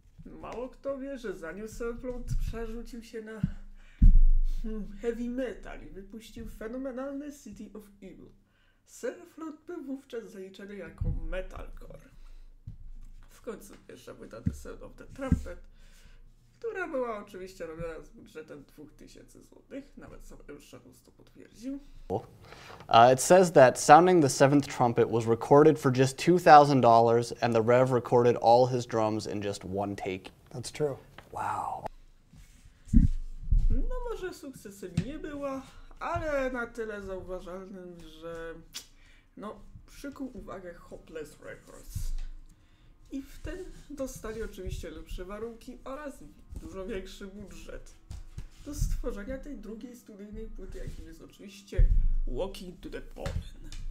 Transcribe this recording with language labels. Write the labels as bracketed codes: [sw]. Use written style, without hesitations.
[pl] Mało kto wie, że zanim Sepultura przerzucił się na heavy metal i wypuścił fenomenalny City of Evil, Sepultura był wówczas zaliczany jako metalcore. W końcu pierwsza płyta The Sound of the Trumpet, która była oczywiście robiona z budżetem 2000 zł, nawet sam Eurostatus to potwierdził. [en] It says that sounding the seventh trumpet was recorded for just $2,000 and the Rev recorded all his drums in just one take. That's true. Wow. [pl] No może sukcesem nie była, ale na tyle zauważalnym, że no przykuł uwagę Hopeless Records. I w ten dostali oczywiście lepsze warunki oraz dużo większy budżet do stworzenia tej drugiej studyjnej płyty, jakim jest oczywiście Walking to the Fallen.